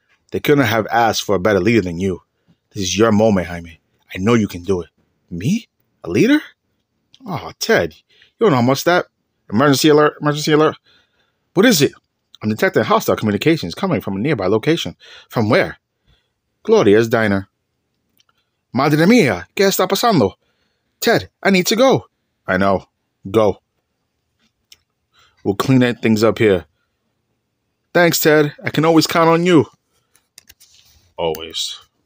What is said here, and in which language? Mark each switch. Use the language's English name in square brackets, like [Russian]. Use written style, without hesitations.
[English] They couldn't have asked for a better leader than you. This is your moment, Jaime. I know you can do it. Me? A leader? Oh, Ted, you don't know how much that... Emergency alert, emergency alert. What is it? I'm detecting hostile communications coming from a nearby location. From where? Gloria's diner. [Spanish] Madre mía, ¿qué está pasando? [English] Ted, I need to go. I know. Go. We'll clean things up here. Thanks, Ted. I can always count on you. Always.